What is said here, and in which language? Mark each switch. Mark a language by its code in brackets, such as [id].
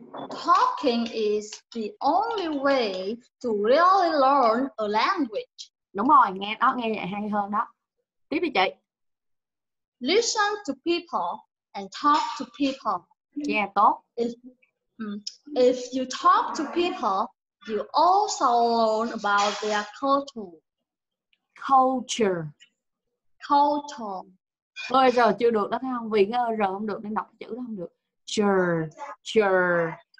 [en] Talking is the only way to really learn a language. [vi] Đúng rồi, nghe đó, nghe vậy hay hơn đó. Tiếp đi chị. [en] Listen to people and talk to people. Yeah, [vi] tốt. [en] If you talk to people, you also learn about their culture. Culture. [vi] Bây giờ chưa được đó, thấy không? Vì cái R không được, nên đọc chữ đó không được. [en] Culture.